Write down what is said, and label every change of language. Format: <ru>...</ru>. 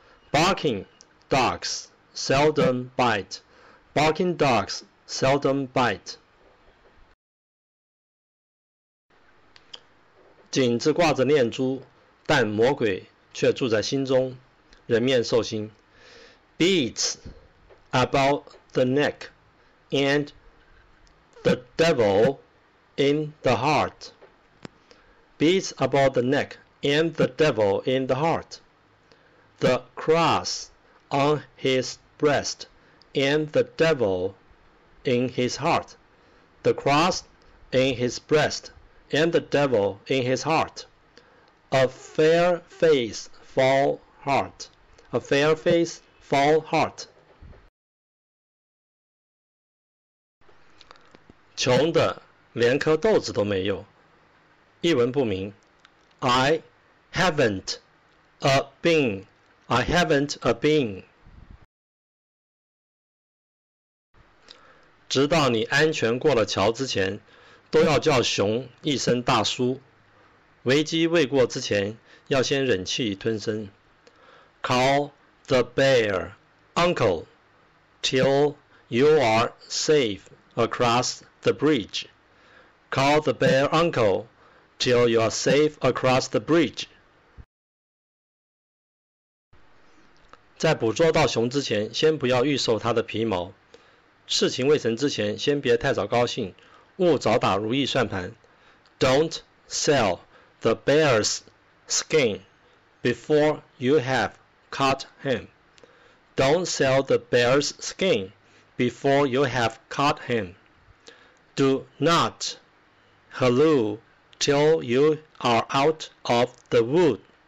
<en>Barking dogs seldom bite. Barking dogs seldom bite.</en> <zh>颈子挂着念珠，但魔鬼却住在心中，人面兽心。</zh> <en>Beads about the neck and the devil in the heart. Beads about the neck and the devil in the heart. The cross on his breast and the devil in his heart. The cross in his breast and the devil in his heart. A fair face, full heart. A fair face, full heart.</en> <zh>穷的连颗豆子都没有，一文不名。</zh> <en>I haven't a bean. I haven't a bean.</en> <zh>直到你安全过了桥之前，都要叫熊一声大叔。危机未过之前，要先忍气吞声。</zh> <en>Call the bear uncle till you are safe across the bridge. Call the bear uncle till you are safe across the bridge.</en> <zh>在捕捉到熊之前，先不要预售它的皮毛。事情未成之前，先别太早高兴，勿早打如意算盘。</zh> <en>Don't sell the bear's skin before you have caught him. Don't sell the bear's skin before you have caught him. Do not halloo till you are out of the wood.</en>